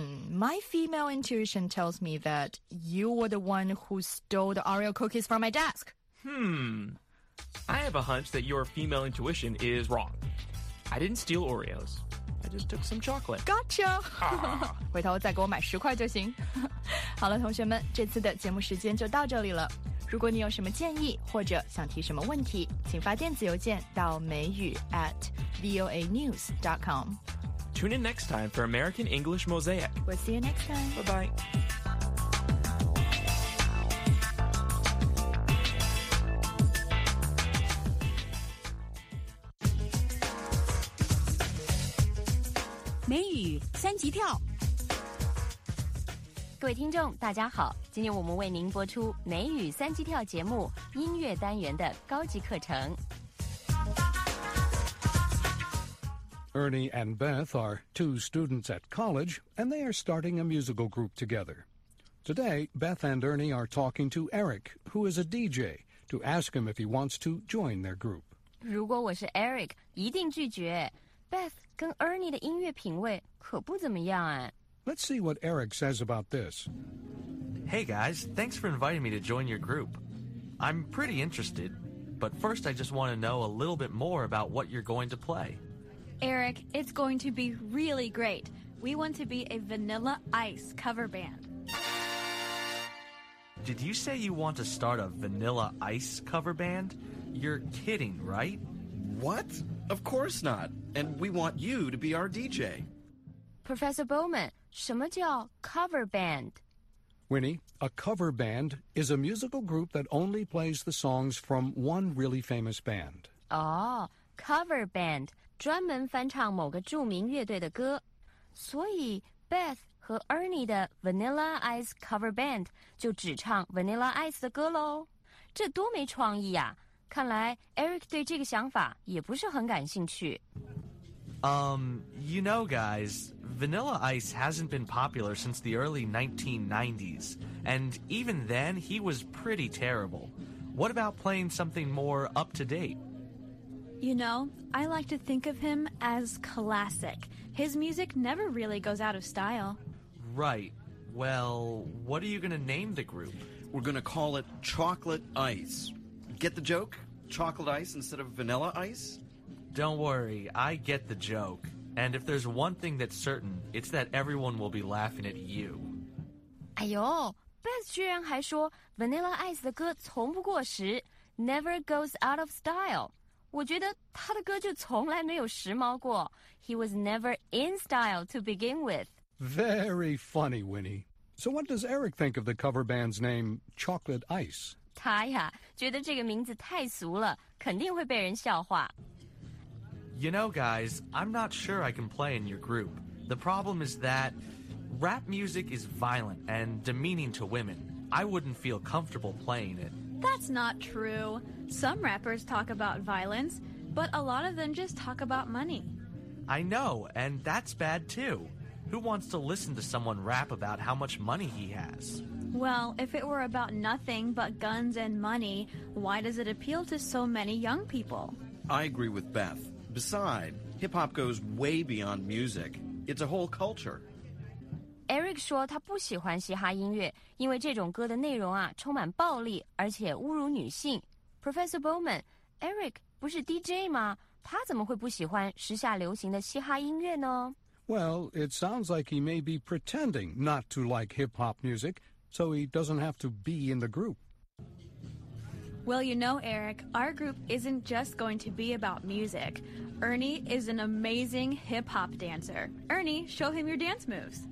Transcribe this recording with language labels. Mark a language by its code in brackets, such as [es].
[en] My female intuition tells me that you were the one who stole the Oreo cookies from my desk. I have a hunch that your female intuition is wrong. I didn't steal Oreos. I just took some chocolate. Gotcha! [zh] 回头再给我买十块就行。好了，同学们，这次的节目时间就到这里了。如果你有什么建议或者想提什么问题，请发电子邮件到美语 @voanews.com. [en] Tune in next time for American English Mosaic. We'll see you next time. Bye-bye. [zh] 美语三级跳。各位听众大家好，今天我们为您播出美语三级跳节目音乐单元的高级课程。 [en] Ernie and Beth are two students at college, and they are starting a musical group together. Today, Beth and Ernie are talking to Eric, who is a DJ, to ask him if he wants to join their group. [zh] 如果我是 Eric, 一定拒绝。Beth 跟 Ernie 的音乐品味可不怎么样啊。 [en] Let's see what Eric says about this. Hey guys, thanks for inviting me to join your group. I'm pretty interested, but first I just want to know a little bit more about what you're going to play. Eric, it's going to be really great. We want to be a Vanilla Ice cover band. Did you say you want to start a Vanilla Ice cover band? You're kidding, right? What? Of course not. And we want you to be our DJ. [zh] Professor Bowman, 什么叫 cover band? [en] Winnie, a cover band is a musical group that only plays the songs from one really famous band. Oh, cover band. [zh] 专门翻唱某个著名乐队的歌，所以 Beth 和 Ernie 的 Vanilla Ice Cover Band 就只唱 Vanilla Ice 的歌喽。这多没创意啊！看来 Eric 对这个想法也不是很感兴趣。 [en] You know, guys, Vanilla Ice hasn't been popular since the early 1990s, and even then he was pretty terrible. What about playing something more up to date? You know, I like to think of him as classic. His music never really goes out of style. Right. Well, what are you going to name the group? We're going to call it Chocolate Ice. Get the joke? Chocolate Ice instead of Vanilla Ice? Don't worry, I get the joke. And if there's one thing that's certain, it's that everyone will be laughing at you. [zh] 哎呦 ,Beth 居然还说 Vanilla Ice 的歌从不过时 , [en] never goes out of style. [zh] 我觉得他的歌就从来没有时髦过。 [en] He was never in style to begin with. Very funny, Winnie. So what does Eric think of the cover band's name, Chocolate Ice? [zh] 他呀，觉得这个名字太俗了，肯定会被人笑话。 [en] You know, guys, I'm not sure I can play in your group. The problem is that rap music is violent and demeaning to women. I wouldn't feel comfortable playing it. That's not true. Some rappers talk about violence, but a lot of them just talk about money. I know, and that's bad too. Who wants to listen to someone rap about how much money he has? Well, if it were about nothing but guns and money, why does it appeal to so many young people? I agree with Beth. Besides, hip-hop goes way beyond music. It's a whole culture. [zh] Eric 说他不喜欢嘻哈音乐，因为这种歌的内容啊充满暴力，而且侮辱女性。 Professor Bowman, Eric 不是 DJ 吗？他怎么会不喜欢时下流行的嘻哈音乐呢？ [en] Well, it sounds like he may be pretending not to like hip-hop music, so he doesn't have to be in the group. Well, you know, Eric, our group isn't just going to be about music. Ernie is an amazing hip-hop dancer. Ernie, show him your dance moves.